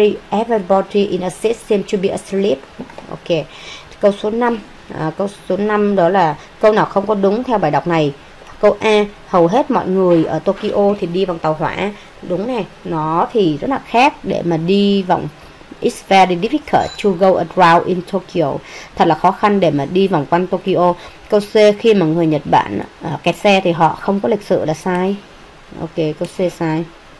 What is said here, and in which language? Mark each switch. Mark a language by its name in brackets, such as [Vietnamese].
[English] Everybody in a seat seem to be asleep. Ok, [Vietnamese] câu số 5. Câu số 5 đó là câu nào không có đúng theo bài đọc này. Câu A, hầu hết mọi người ở Tokyo thì đi bằng tàu hỏa. Đúng nè, nó thì rất là khác để mà đi vòng. [English] It's very difficult to go around in Tokyo. [Vietnamese] Thật là khó khăn để mà đi vòng quanh Tokyo. Câu C, khi mà người Nhật Bản kẹt xe thì họ không có lịch sự, là sai. Ok, câu C sai.